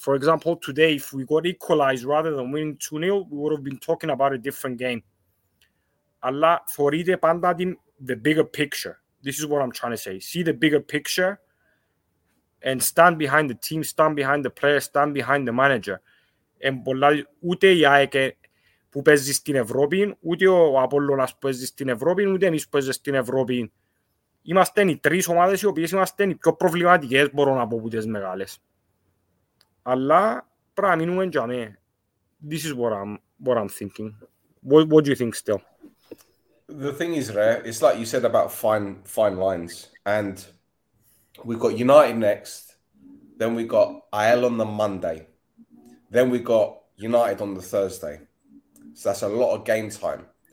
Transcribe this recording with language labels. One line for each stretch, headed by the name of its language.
English: For example, today if we got equalized rather than winning 2-0, we would have been talking about a different game.
Greek: Αλλά θωρείται πάντα την
English: the bigger picture. This is what I'm trying to say. See the bigger picture and stand behind the team, stand behind the player, stand behind the manager.
Greek: Ούτε η ΑΕΚ που παίζει στην Ευρώπη, ούτε ο Απόλλωνας που παίζει στην Ευρώπη, ούτε εμείς που παίζει στην Ευρώπη. Είμαστε οι τρεις ομάδες οι οποίες είμαστε οι πιο προβληματικές, μπορώ να πω, που τις μεγάλες. Αλλά πρέπει να μείνουμε για μένα.
English: This is what I'm thinking. What do you think still? The thing is, Ray, it's like you said about fine lines. And we've got United next. Then we've got AEL on the Monday. Then we've got United on the Thursday. So that's a lot of game time.